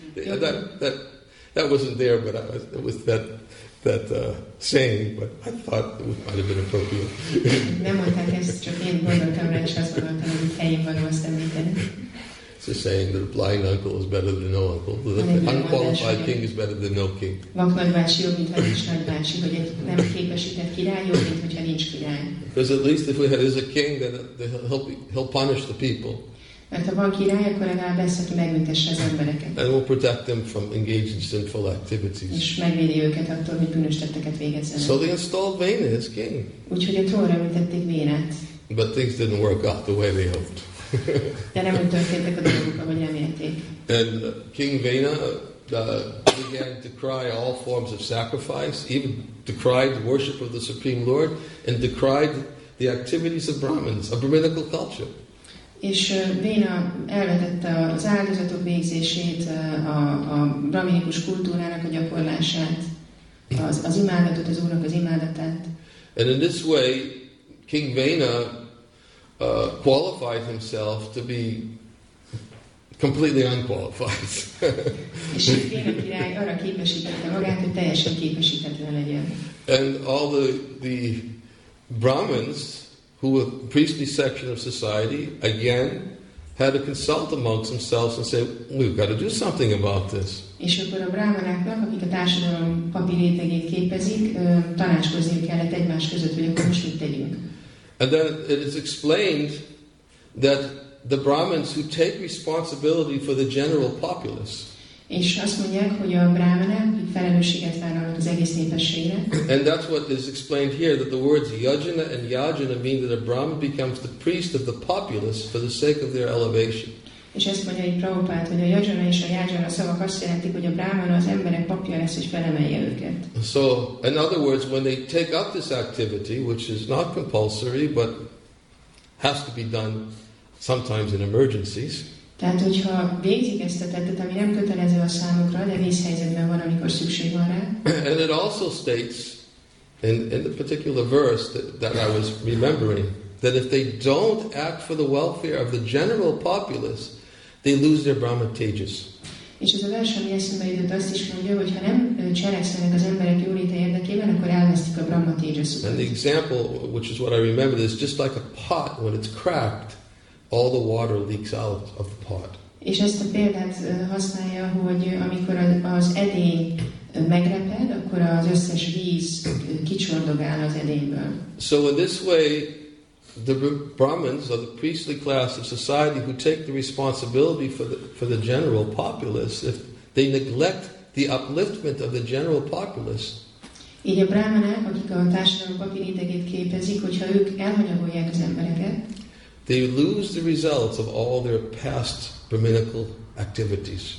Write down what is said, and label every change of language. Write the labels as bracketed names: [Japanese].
[English] That wasn't there, but it was that saying, but I thought it might have been appropriate. It's a saying that a blind uncle is better than no uncle. The unqualified king is better than no king. Because at least if we had as a king, then he'll punish the people. [Hungarian] Mert ha van király, akkor legalább lesz, aki megmentesse az embereket. [English] And will protect them from engaging sinful activities. [Hungarian] És megvédi őket attól, hogy bűnös tetteket végezzenek. [English] So they installed Vena as king. [Hungarian] Úgyhogy a trónra ültették Vénát. [English] But things didn't work out the way they hoped. [Hungarian] De nem úgy történtek a dolgok, ahogy remélték. [English] And King Vena began to cry all forms of sacrifice, even decried the worship of the Supreme Lord, and decried the activities of Brahmins, a Brahminical culture. [Hungarian] És Véna elvetette az áldozatok végzését, a brahminikus kultúrának a gyakorlását, az imádatot, az Úrnak az imádatát. [English] And in this way, King Véna qualified himself to be completely unqualified. [Hungarian] És Véna király arra képesítette magát, hogy teljesen képesítetlen legyen. [English] And all the Brahmins, who were the priestly section of society, again, had to consult amongst themselves and say, we've got to do something about this. [Hungarian] És akkor a brámanáknak, akik a társadalom papi rétegét képezik, tanácskozni kellett egymás között, hogy akkor most mit tegyünk. [English] And then it is explained that the Brahmins who take responsibility for the general populace, [Hungarian] és azt mondják, hogy a brámanák felelősséget vállalnak az egész népességre. [English] And that's what is explained here, that the words yajana and yajana mean that a brahman becomes the priest of the populace for the sake of their elevation. [Hungarian] És ezt mondja itt Prabhupád, hogy a yajana és a yajana szavak azt jelentik, hogy a brámana az emberek papja lesz, hogy felemelje őket. [English] So, in other words, when they take up this activity, which is not compulsory, but has to be done sometimes in emergencies, [Hungarian] tehát, hogyha végzik ezt a tettet, ami nem kötelező a számukra, de vészhelyzetben van, amikor szükség van rá. [English] And it also states in the particular verse that I was remembering that if they don't act for the welfare of the general populace, they lose their brahmatejas. [Hungarian] És ez a vers, ami eszembe jutott, azt is mondja, hogy ha nem cselekszenek az emberek jólét érdekében, akkor elvesztik a brahmatejasukat. [English] And the example, which is what I remember, is just like a pot when it's cracked, all the water leaks out of the pot. [Hungarian] És ezt a példát használja, hogy amikor az edény megreped, akkor az összes víz kicsordogál az edényből. [English] So in this way, the Brahmins are the priestly class of society who take the responsibility for the general populace. If they neglect the upliftment of the general populace, [Hungarian] így a brámanák, akik a társadalom papi rétegét képezik, hogyha ők elhanyagolják az embereket, [English] they lose the results of all their past brahminical activities.